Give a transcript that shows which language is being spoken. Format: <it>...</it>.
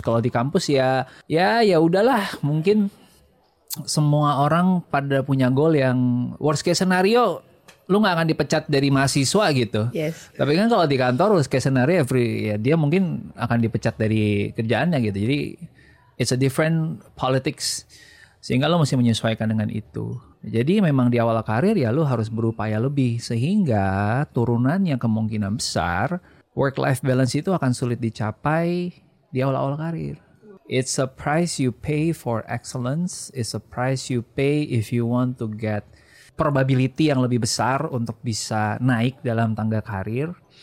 <id>Kalau di kampus ya udahlah, mungkin semua orang pada punya goal yang</id> <en>worst case scenario</en> <id>lu gak akan dipecat dari mahasiswa gitu.</id> <en>Yes.</en> <id>Tapi kan kalau di kantor,</id> <en>worst case scenario,</en> <id>ya dia mungkin akan dipecat dari kerjaannya gitu.</id> <en>Jadi, it's a different politics.</en> <id>Sehingga lu mesti menyesuaikan dengan itu. Jadi, memang di awal karir ya lu harus berupaya lebih. Sehingga turunannya kemungkinan besar, work-life balance itu akan sulit dicapai di awal-awal karir.</id> <en>It's a price you pay for excellence. It's a price you pay if you want to get probability</en> <id>yang lebih besar untuk bisa naik dalam tangga karir.</id>